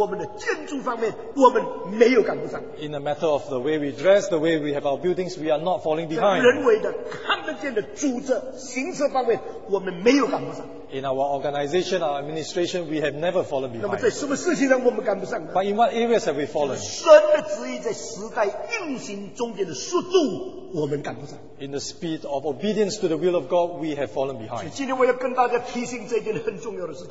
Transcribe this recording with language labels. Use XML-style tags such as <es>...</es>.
<zh>我们在时装，我们的衣食，我们的建筑方面，我们没有赶不上。</zh> <en>In the matter of the way we dress, the way we have our buildings, we are not falling behind.</en> <zh>人为的看得见的组织形式方面，我们没有赶不上。</zh> <en>In our organization, our administration, we have never fallen behind.</en> <zh>那么在什么事情上我们赶不上?</zh> <en>But in what areas have we fallen?</en> <zh>神的旨意在时代运行中间的速度，我们赶不上。</zh> <en>In the speed of obedience to the will of God, we have fallen behind.</en> <zh>所以今天我要跟大家提醒这件很重要的事情。</zh>